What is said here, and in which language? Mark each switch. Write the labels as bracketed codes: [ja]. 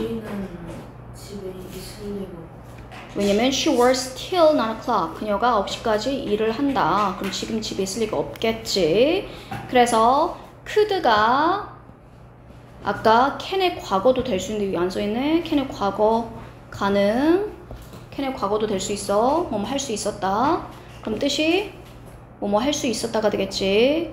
[ko] Jane은 집에 있을 리가. 왜냐면 [en] she works till 9 o'clock. [ko] 그녀가 9시까지 일을 한다. 그럼 지금 집에 있을 리가 없겠지. 그래서 could가 아까 can의 과거도 될 수 있는데 여기 안 써있네. can의 과거 가능. can의 과거도 될 수 있어. 뭐뭐 할 수 있었다. 그럼 뜻이 뭐뭐 할 수 있었다가 되겠지.